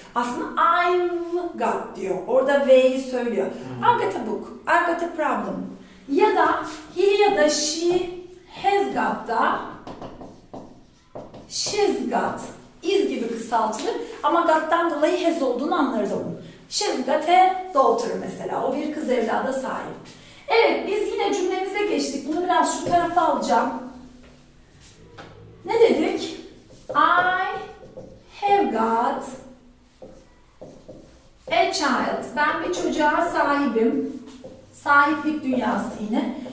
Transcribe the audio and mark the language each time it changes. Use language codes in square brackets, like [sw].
[tr] Aslında [en] I've got [tr] diyor. Orada V'yi söylüyor. [en] I've got a book. I've got a problem. [tr] Ya da he ya da [en] she has got [tr] da [en] she's got [tr] is gibi kısaltılır. Ama got'tan dolayı has olduğunu anlarız onu. [en] She's got a daughter [tr] mesela. O bir kız evlada sahip. Evet, biz yine cümlemize geçtik. Bunu biraz şu tarafa alacağım. Ne dedik? [en] I have got a child. [tr] Ben bir çocuğa sahibim. Sahiplik dünyası yine.